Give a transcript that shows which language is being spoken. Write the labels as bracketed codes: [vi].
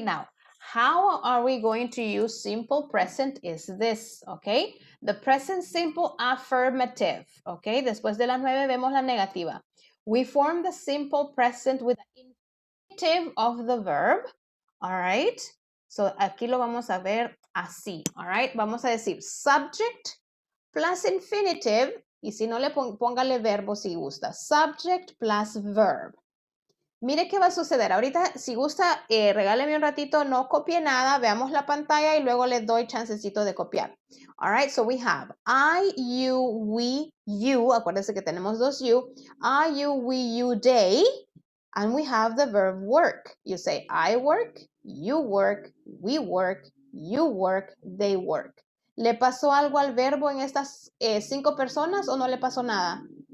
[en] Now, how are we going to use simple present is this, okay? The present simple affirmative, okay? [es] Después de la nueve vemos la negativa. [en] We form the simple present with the infinitive of the verb, all right? [es] So aquí lo vamos a ver así, all right? Vamos a decir subject plus infinitive, y si no le póngale verbo si gusta, subject plus verb. Mire qué va a suceder. Ahorita, si gusta, regáleme un ratito, no copie nada, veamos la pantalla y luego le doy chancecito de copiar. [en] All right, so we have I, you, we, you. [es] Acuérdense que tenemos dos you. I, you, we, you, they. [en] And we have the verb work. You say I work, we work, you work, they work. [es] ¿Le pasó algo al verbo en estas cinco personas o no le pasó nada?